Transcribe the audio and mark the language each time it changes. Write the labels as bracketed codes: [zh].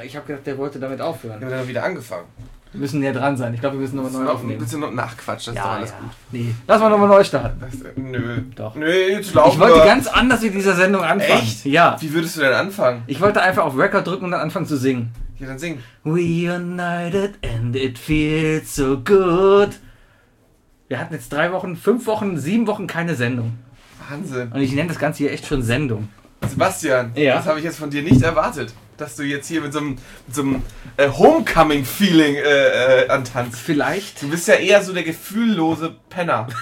[de] Ich habe gedacht, der wollte damit aufhören. Ja, dann wieder angefangen. Wir müssen näher dran sein. Ich glaube, wir müssen nochmal neu aufnehmen. Ein bisschen nachquatschen, das ist doch alles gut. Nee, lass mal nochmal neu starten. Nö. Doch. Nö, jetzt laufen wir. Ich wollte ganz anders mit dieser Sendung anfangen. Echt? Ja. Wie würdest du denn anfangen? Ich wollte einfach auf Record drücken und dann anfangen zu singen. Ja, dann singen. [en] We united and it feels so good. [de] Wir hatten jetzt 3 Wochen, 5 Wochen, 7 Wochen keine Sendung. Wahnsinn. Und ich nenne das Ganze hier echt schon Sendung. Sebastian, ja? Das habe ich jetzt von dir nicht erwartet. Dass du jetzt hier mit so einem Homecoming-Feeling antanzt. Vielleicht. Du bist ja eher so der gefühllose Penner.